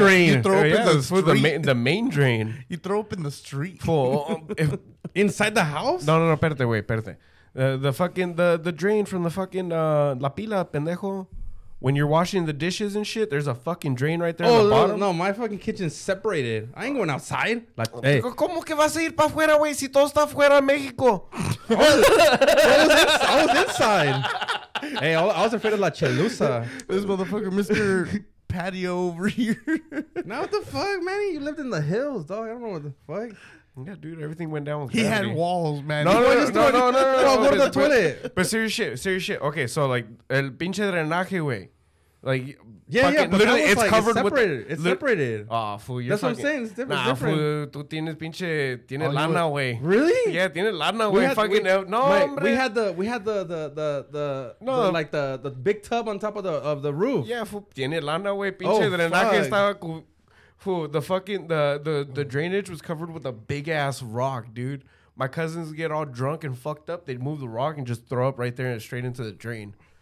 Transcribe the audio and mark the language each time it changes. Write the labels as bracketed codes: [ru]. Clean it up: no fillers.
[en] Drain? You throw up in the street. For the main drain. You throw up in the street. Well, inside the house? No, no, no. [es] Espérate, güey. Espérate. [en] The fucking, the drain from the fucking La Pila, pendejo. When you're washing the dishes and shit, there's a fucking drain right there in the bottom. No, my fucking kitchen's separated. I ain't going outside. Like, hey. [es] ¿Cómo que vas a ir para afuera, güey, si todo está afuera en México? [en] I was inside. Hey, I was afraid of La Chelusa. This motherfucker, Mr. Patio over here. Now what the fuck, Manny? You lived in the hills, dog. I don't know what the fuck. Yeah, dude, everything went down with gravity. He had walls, man. No, go to the toilet. But serious shit. Okay, so like [es] el pinche drenaje, güey. [en] Like literally it's like, covered it's separated. With it's separated. Oh, fool, you're that's fucking, what I'm saying. It's different. Nah, fool, [es] tú tienes pinche tiene oh, lana, güey. [en] Really? [es] Yeah, tiene lana, güey. Fucking no, hombre. [en] We had the big tub on top of the roof. Yeah, fool, [es] tiene lana, güey. Pinche drenaje estaba [en] the drainage was covered with a big ass rock, dude. My cousins get all drunk and fucked up. They'd move the rock and just throw up right there and straight into the drain.